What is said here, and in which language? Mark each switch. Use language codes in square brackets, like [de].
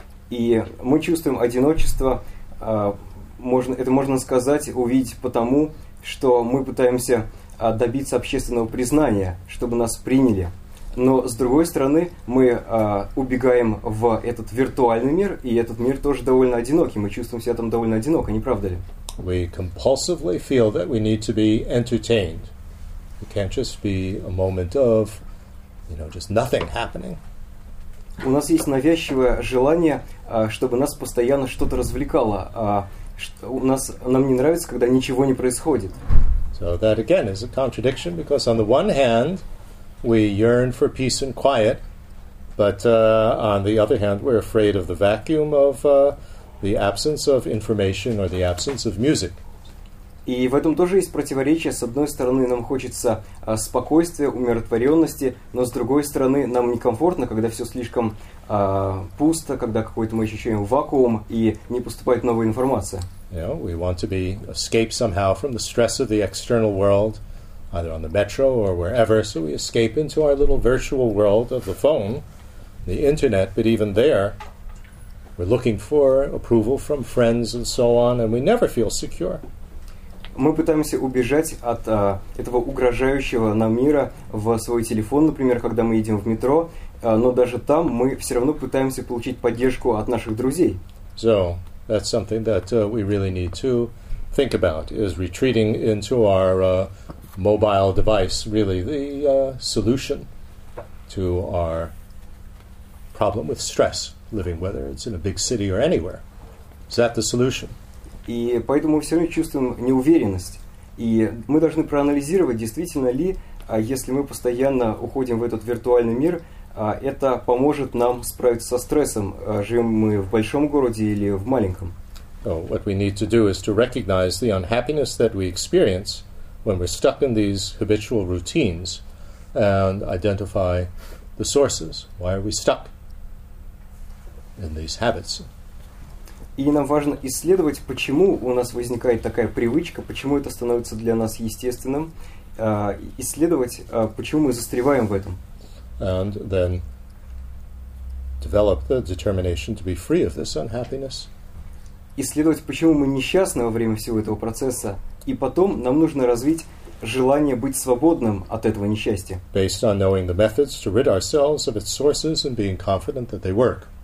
[ru] И мы чувствуем одиночество, можно сказать, увидеть потому, что мы пытаемся добиться общественного признания, чтобы нас приняли. Но, с другой стороны, мы убегаем в этот виртуальный мир, и этот мир тоже довольно одинокий. Мы чувствуем себя там довольно одиноко, не правда ли? [en] We compulsively feel that we need to be entertained. It can't just be a moment of, you know, just nothing happening. [ru] У нас есть навязчивое желание, чтобы нас постоянно что-то развлекало. Нам не нравится, когда ничего не происходит. [en] So that, again, is a contradiction, because on the one hand, we yearn for peace and quiet, but on the other hand, we're afraid of the vacuum of the absence of information or the absence of music. [ru] И в этом тоже есть противоречие. С одной стороны, нам хочется спокойствия, умиротворенности, но с другой стороны, нам некомфортно, когда все слишком пусто, когда какой-то мы ощущаем вакуум и не поступает новая информация. [en] You know, we want to be escape somehow from the stress of the external world, either on the metro or wherever, so we escape into our little virtual world of the phone, the internet, but even there, we're looking for approval from friends and so on, and we never feel secure. [ru] Мы пытаемся убежать от этого угрожающего нам мира в свой телефон, например, когда мы едем в метро, но даже там мы все равно пытаемся получить поддержку от наших друзей. [en] So, that's something that we really need to think about, is retreating into our mobile device, really the solution to our problem with stress, living whether it's in a big city or anywhere. Is that the solution? [ru] И поэтому мы все равно чувствуем неуверенность. И мы должны проанализировать, действительно ли, если мы постоянно уходим в этот виртуальный мир, это поможет нам справиться со стрессом, живем мы в большом городе или в маленьком. [en] So what we need to do is to recognize the unhappiness that we experience when we're stuck in these habitual routines and identify the sources. Why are we stuck in these habits? [ru] И нам важно исследовать, почему у нас возникает такая привычка, почему это становится для нас естественным, исследовать, почему мы застреваем в этом. [en] And then develop the determination to be free of this unhappiness. [ru] Исследовать, почему мы несчастны во время всего этого процесса, и потом нам нужно развить желание быть свободным от этого несчастья. [en] Based on knowing the methods to rid ourselves of its sources and being confident that they work.